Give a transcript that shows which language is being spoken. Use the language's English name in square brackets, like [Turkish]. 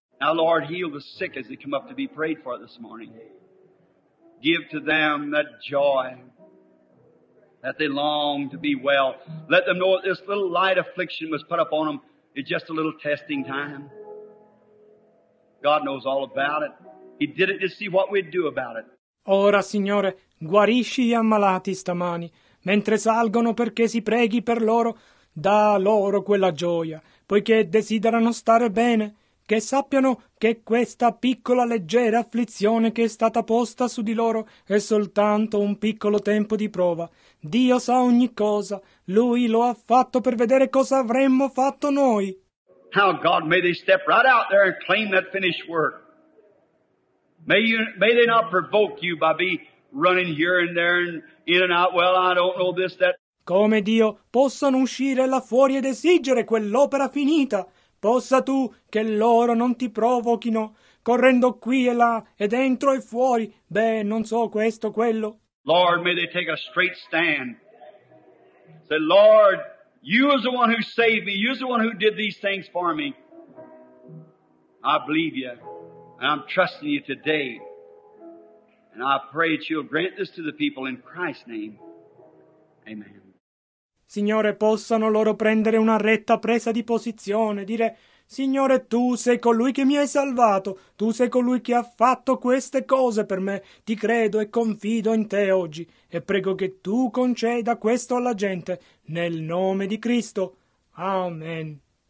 [English] Now, Lord, heal the sick as they come up to be prayed for this morning. Give to them that joy that they long to be well. Let them know that this little light affliction was put upon them is just a little testing time. God knows all about it. He did it to see what we'd do about it. [Italian] Ora, Signore, guarisci gli ammalati stamani, mentre salgono perché si preghi per loro, dà loro quella gioia, poiché desiderano stare bene. Che sappiano che questa piccola leggera afflizione che è stata posta su di loro è soltanto un piccolo tempo di prova. Dio sa ogni cosa. Lui lo ha fatto per vedere cosa avremmo fatto noi. [English] Now, God, may they step right out there and claim that finished work. May they not provoke you by be running here and there and in and out. Well, I don't know this, that. [Italian] Come, Dio, possano uscire là fuori ed esigere quell'opera finita. Possa tu che loro non ti provochino, correndo qui e là, e dentro e fuori, beh, non so questo, quello. [English] Lord, may they take a straight stand. Say, Lord, you are the one who saved me. You are the one who did these things for me. I believe you, and I'm trusting you today. And I pray that you'll grant this to the people in Christ's name. Amen. [Italian] Signore, possano loro prendere una retta presa di posizione, dire, Signore, tu sei colui che mi hai salvato, tu sei colui che ha fatto queste cose per me, ti credo e confido in te oggi, e prego che tu conceda questo alla gente, nel nome di Cristo. Amen.